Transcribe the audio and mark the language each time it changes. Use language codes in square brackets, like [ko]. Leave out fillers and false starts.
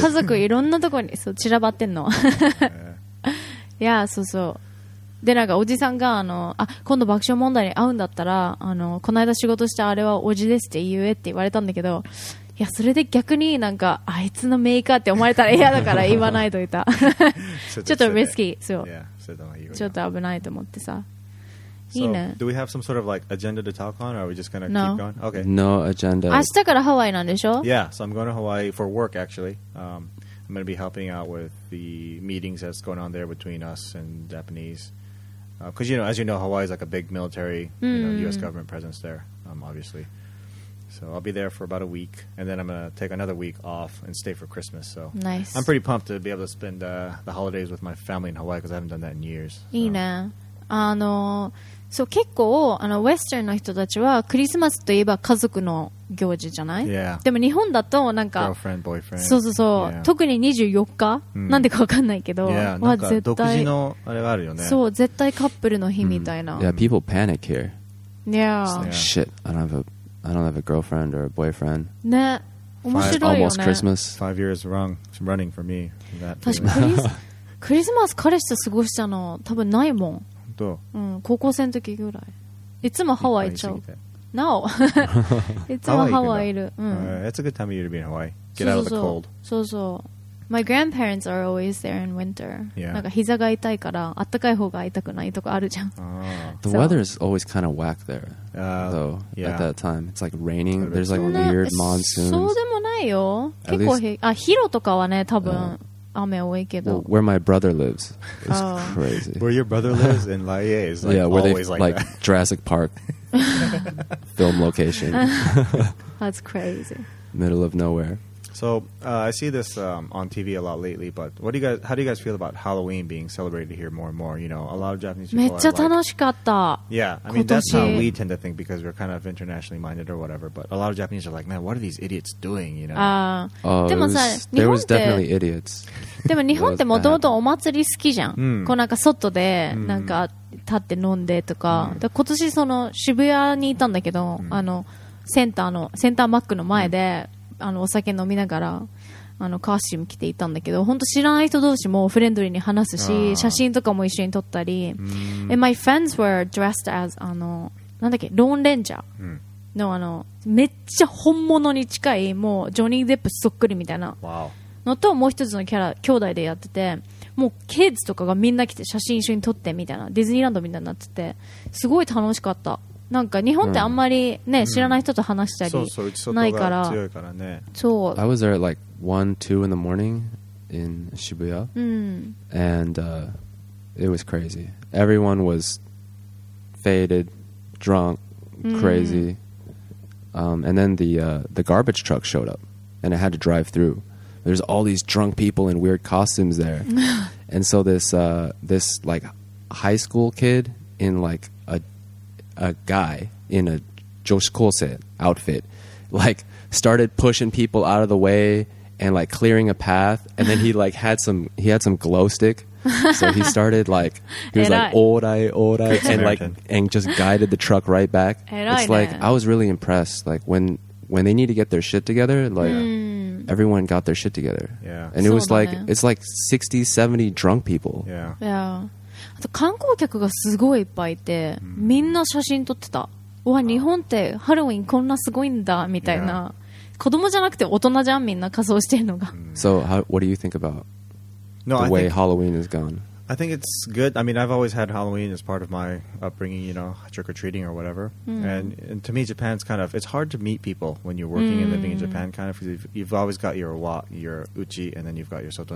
[ja] 家族いろんなとこにそう散らばってんのいやそうそうでなんかおじさんがあ今度爆笑問題に会うんだったらこの間仕事したあれはおじですって言えって言われたんだけどいやそれで逆になんかあいつのメーカーって思われたら嫌だから言わないといたちょっとリスキーそう、 [en] yeah. [ja] ちょっと危ないと思ってさいいね。 [en] So, do we have some sort of like agenda to talk on, or are we just gonna keep going? Okay. No agenda. [ja] 明日からハワイなんでしょ? [en] Yeah, so I'm going to Hawaii for work actually. I'm going to be helping out with the meetings that's going on there between us and Japanese. Because, you know, as you know, Hawaii is like a big military, you know, U.S. government presence there, obviously. So I'll be there for about a week, and then I'm going to take another week off and stay for Christmas. So nice. I'm pretty pumped to be able to spend the holidays with my family in Hawaii because I haven't done that in years. [ja] いいね。あの、そう、結構、あの、ウェスターンの人たちはクリスマスといえば家族の行事じゃない? [en] Yeah. [ja] でも日本だとなんか、 [en] girlfriend, boyfriend. [ja] そうそうそう。 [en] Yeah. [ja] 特に24日、なんでか分かんないけど、は、yeah, 絶対。独自のあれがあるよね。そう、絶対カップルの日みたいな。 [en] Yeah, people panic here. Yeah. Shit, I don't have a girlfriend or a boyfriend. [ja] ね、面白いよね。 [en] Almost Christmas. 5 years running for me. [ja] 確かにクリスマス彼氏と過ごしたの多分ないもん。どう? うん、高校生の時ぐらい。いつもハワイ行っちゃう。なお。いつもハワイいる。うん。 [en] That's a good time of year to be in Hawaii. Get out of the cold. そうそう。My grandparents are always there in winter. Yeah. [ja] なんか膝が痛いから、あったかい方が痛くないとかあるじゃん。 [en] Oh. The weather is always kind of whack there, though, yeah. at that time. It's like raining. There's like weird monsoons. [ja] そうでもないよ。結構、あ、ヒロとかはね、多分、雨多いけど。 [en] Well, where my brother lives is crazy. Where your brother lives in Laie is like always like that. Yeah, where they, like Jurassic Park film location. That's crazy. Middle of nowhere. So, I see this on TV a lot lately, but what do you guys, how do you guys feel about Halloween being celebrated here more and more? You know, a lot of Japanese people [ja] めっちゃ [en] are like... [ja] 楽しかった [en] Yeah, I mean, that's how we tend to think because we're kind of internationally minded or whatever, but a lot of Japanese are like, man, what are these idiots doing, you know? There was definitely idiots. [ja] でも日本ってもともとお祭り好きじゃん。こうなんか外でなんか立って飲んでとか。で、今年その渋谷にいたんだけど、あの、センターマックの前で、あのお酒飲みながらあのカーシーム着ていたんだけど本当知らない人同士もフレンドリーに話すし写真とかも一緒に撮ったり [en] And my friends were dressed as [ja] あのなんだっけローンレンジャーの、あのめっちゃ本物に近いもうジョニー・デップそっくりみたいなのと、 [en] wow. [ja] もう一つのキャラ兄弟でやっててもうキッズとかがみんな来て写真一緒に撮ってみたいなディズニーランドみたいになっててすごい楽しかったなんか日本ってあんまりね、知らない人と話したりないから、そう、強いからね。そう。 [en] I was there at like 1, 2 in the morning in Shibuya. And it was crazy. Everyone was faded, drunk, crazy. And then the garbage truck showed up and it had to drive through. There's all these drunk people in weird costumes there. And so this like high school kid in like a guy in a joshikousei outfit like started pushing people out of the way and like clearing a path and then he like had some glow stick so he started like he was like orai orai and like and just guided the truck right back it's like I was really impressed like when they need to get their shit together like everyone got their shit together yeah and it was like it's like 60-70 drunk people yeah [ja] あと観光客がすごいいっぱいいて、みんな写真撮ってた。うわ、日本ってハロウィンこんなすごいんだみたいな。 [en] Yeah. [ja] 子供じゃなくて大人じゃんみんな仮装してるのが。 [en] So, what do you think about the way Halloween is gone? I think it's good. I mean, I've always had Halloween as part of my upbringing, you know, trick or treating or whatever. And to me, Japan's kind of it's hard to meet people when you're working and living in Japan, kind of because you've always got your uchi, and then you've got your soto.